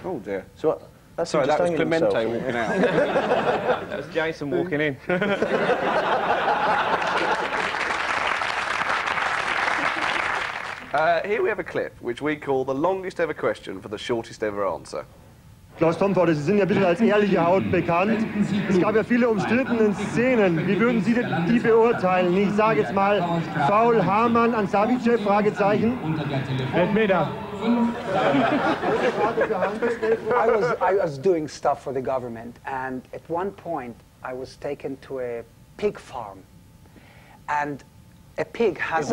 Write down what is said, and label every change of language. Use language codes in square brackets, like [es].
[en] Oh, dear. So that's sorry, just that was Clemente himself, walking out. That's Jason walking in. Here we have a clip, which we call the longest ever question for the shortest ever answer. [de] Klaus Tomford, Sie sind ja ein bisschen als ehrliche Haut bekannt. Es gab ja viele umstrittene Szenen. Wie würden Sie die beurteilen? Ich sage jetzt mal, Foul Hamann an Savicev, Fragezeichen. Elfmeter. [en] I was doing stuff for the government, and at one point I was taken to a pig farm, and a pig has...